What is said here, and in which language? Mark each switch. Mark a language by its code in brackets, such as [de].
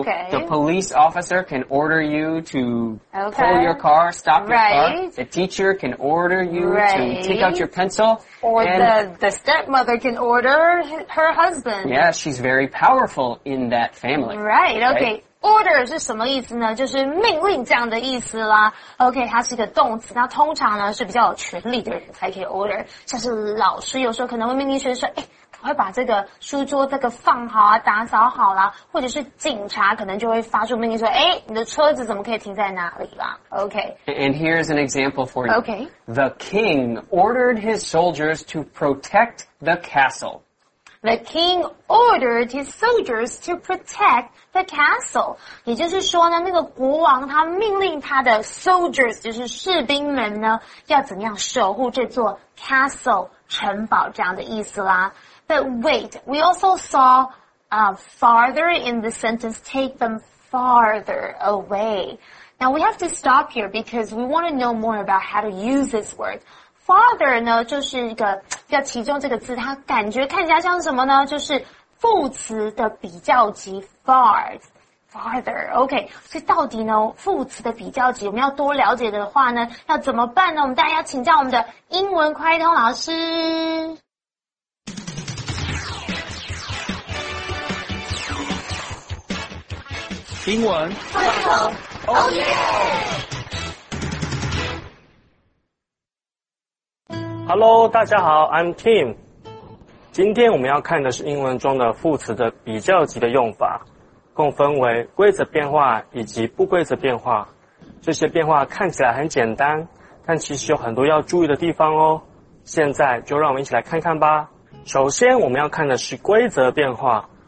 [en] okay. The police officer can order you to okay. pull your car, stop your right. car. The teacher can order you right. to take out your pencil. Or the stepmother can order her husband. Yeah, she's very powerful in that family. Right, okay. Right? [zh] Order 是什么意思呢就是命令这样的意思啦 OK 它是一个动词那通常呢是比较有权力的人才可以 order 像是老师有时候可能会命令学生赶快把这个书桌这个放好啊打扫好啦或者是警察可能就会发出命令说你的车子怎么可以停在哪里啦 OK [en] And here's an example for you OK The king ordered his soldiers to protect the castle The king ordered his soldiers to protect the castle. [zh] 也就是说呢那个国王他命令他的 soldiers, 就是士兵们呢要怎么样守护这座 castle, 城堡这样的意思啦。 [en] But wait, we also saw, farther in the sentence, take them farther away. Now we have to stop here because we want to know more about how to use this word. [zh] Father 呢就是一个比较其中这个字它感觉看起来像什么呢就是副词的比较级 far [en] farther. [zh] OK, 所以到底呢，副词的比较级我们要多了解的话呢，要怎么办呢？我们大家要请教我们的英文快通老师。英文快通 [en] ，Oh yeah！ [zh] Hello， 大家好 ， [en] I'm Tim。 [zh] 今天我们要看的是英文中的副词的比较级的用法，共分为规则变化以及不规则变化。这些变化看起来很简单，但其实有很多要注意的地方哦。现在就让我们一起来看看吧。首先，我们要看的是规则变化。